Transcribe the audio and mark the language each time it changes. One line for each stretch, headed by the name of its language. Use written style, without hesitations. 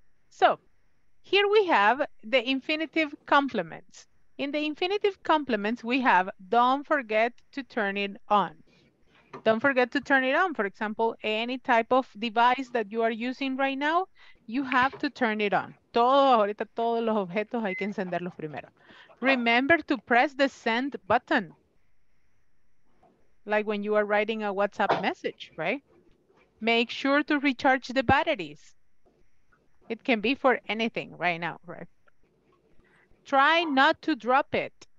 English: So here we have the infinitive complements. In the infinitive complements, we have don't forget to turn it on. Don't forget to turn it on. For example, any type of device that you are using right now, you have to turn it on.
Spanish: Todo, ahorita todos los objetos hay que encenderlos primero.
English: Remember to press the send button. Like when you are writing a WhatsApp message, right? Make sure to recharge the batteries. It can be for anything right now, right? Try not to drop it.